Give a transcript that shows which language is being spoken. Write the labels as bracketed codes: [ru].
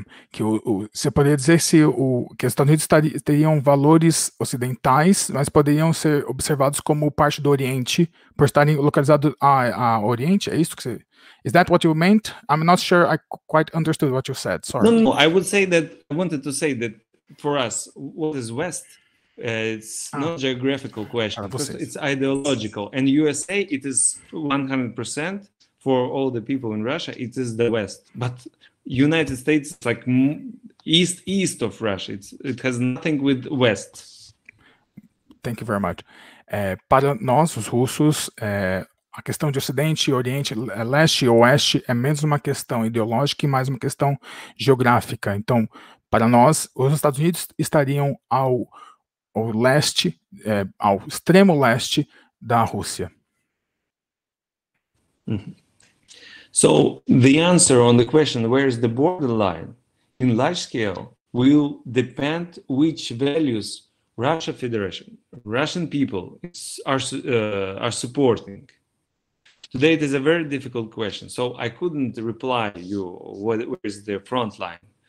[pt] Que você poderia dizer que os Estados Unidos teriam valores ocidentais, mas poderiam ser observados como parte do Oriente, por estarem localizados a Oriente? É isso que você... [en] Is that what you meant? I'm not sure I quite understood what you said. Sorry. No, I would say that I wanted to say that for us, what is West? It's not a geographical question. It's ideological. And USA, it is 100% for all the people in Russia, it is the West. But United States, like east of Russia, it has nothing with West. Thank you very much. [pt] Para nós, os russos, a questão de Ocidente e Oriente, Leste e Oeste, é menos uma questão ideológica e mais uma questão geográfica. Então, para nós, os Estados Unidos estariam ao leste, ao extremo leste da Rússia. [en] So the answer on the question where is the borderline in large scale will depend which values Russia Federation, Russian people are supporting. Today it is a very difficult question, so I couldn't reply you where is the front line.